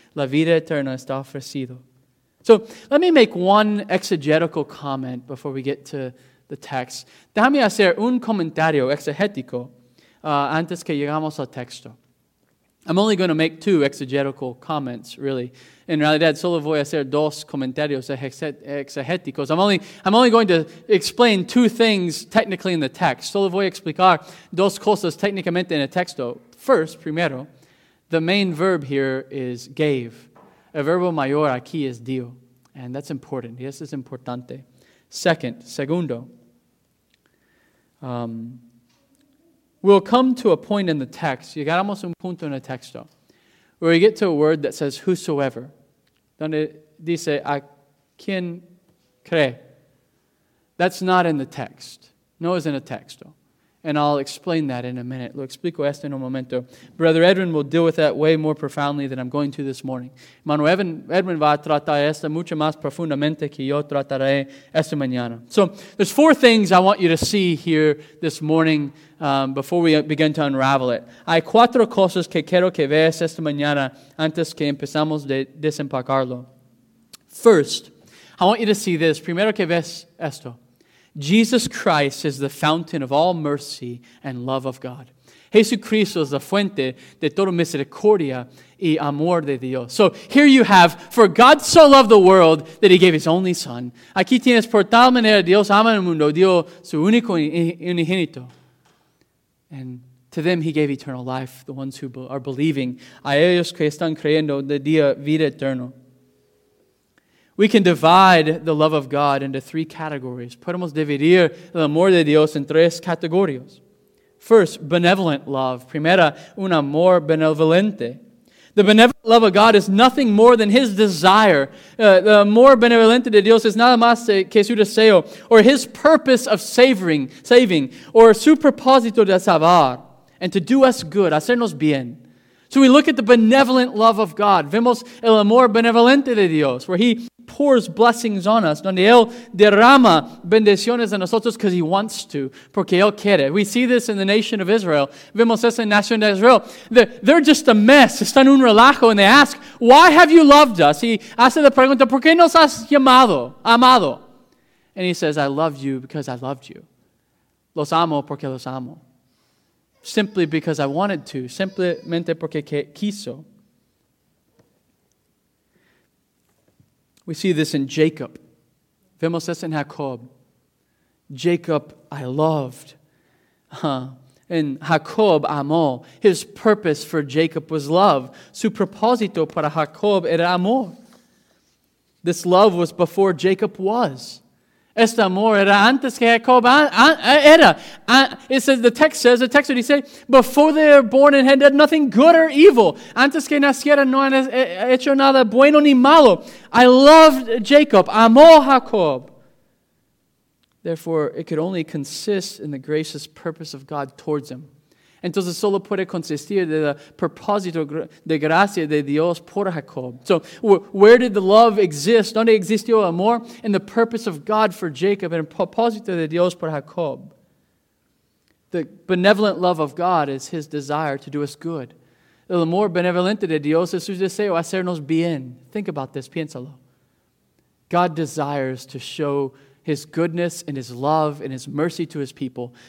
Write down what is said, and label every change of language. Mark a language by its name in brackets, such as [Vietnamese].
[Spanish] La vida eterna está ofrecido. So let me make one exegetical comment before we get to the text. Déjame hacer un comentario exegético antes que llegamos al texto. [English] I'm only going to make two exegetical comments, really. [Spanish] En realidad, solo voy a hacer dos comentarios exegéticos. [English] I'm only going to explain two things technically in the text. [Spanish] Solo voy a explicar dos cosas técnicamente en el texto. [English] First, primero, the main verb here is gave. [Spanish] El verbo mayor aquí es dio. [English] And that's important. Yes, it's importante. Segundo, we'll come to a point in the text. [Spanish] Llegaremos a un punto en el texto [English] where we get to a word that says whosoever. [Spanish] Donde dice a quien cree. [English] That's not in the text. [Spanish] No es en el texto. [English] And I'll explain that in a minute. [Spanish] Lo explico esto en un momento. [English] Brother Edwin will deal with that way more profoundly than I'm going to this morning. [Spanish] Manuel Edwin va a tratar esto mucho más profundamente que yo trataré esta mañana. [English] So, there's four things I want you to see here this morning before we begin to unravel it. [Spanish] Hay cuatro cosas que quiero que veas esta mañana antes que empezamos de desempacarlo. [English] First, I want you to see this. [Spanish] Primero que ves esto. [English] Jesus Christ is the fountain of all mercy and love of God. [Spanish] Jesucristo es la fuente de toda misericordia y amor de Dios. [English] So here you have, for God so loved the world that he gave his only son. [Spanish] Aquí tienes, por tal manera Dios ama el mundo, dio su único unigénito. [English] And to them he gave eternal life, the ones who are believing. [Spanish] A ellos que están creyendo, de día vida eterna. [English] We can divide the love of God into three categories. [Spanish] Podemos dividir el amor de Dios en tres categorías. [English] First, benevolent love. [Spanish] Primera, un amor benevolente. [English] The benevolent love of God is nothing more than his desire. [Spanish] The amor benevolente de Dios es nada más que su deseo, [English] or his purpose of saving, [Spanish] or su propósito de salvar, [English] and to do us good, [Spanish] hacernos bien. [English] So we look at the benevolent love of God. [Spanish] Vemos el amor benevolente de Dios, [English] where he pours blessings on us, [Spanish] donde él derrama bendiciones a nosotros [English] because he wants to, [Spanish] porque él quiere. [English] We see this in the nation of Israel. [Spanish] Vemos esa nación de Israel. [English] They're just a mess. [Spanish] Están un relajo, [English] and they ask, why have you loved us? [Spanish] He hace la pregunta, ¿por qué nos has llamado, amado? [English] And he says, I love you because I loved you. [Spanish] Los amo porque los amo. [English] Simply because I wanted to. [Spanish] Simplemente porque quiso. [English] We see this in Jacob. [Spanish] Vemos esto en Jacob. [English] Jacob, I loved. And Jacob amó. His purpose for Jacob was love. [Spanish] Su propósito para Jacob era amor. [English] This love was before Jacob was. [Spanish] Este amor era antes que Jacob era. [English] It says, the text would say, before they were born and had done nothing good or evil. [Spanish] Antes que naciera no han hecho nada bueno ni malo. [English] I loved Jacob. [Spanish] Amó Jacob. [English] Therefore, it could only consist in the gracious purpose of God towards him. [Spanish] Entonces, solo puede consistir de la propósito de gracia de Dios por Jacob. [English] So, where did the love exist? [Spanish] ¿Dónde existió el amor? [English] In the purpose of God for Jacob and [Spanish] propósito de Dios por Jacob. [English] The benevolent love of God is his desire to do us good. [Spanish] El amor benevolente de Dios es su deseo hacernos bien. [English] Think about this, piénsalo. God desires to show his goodness and his love and his mercy to his people.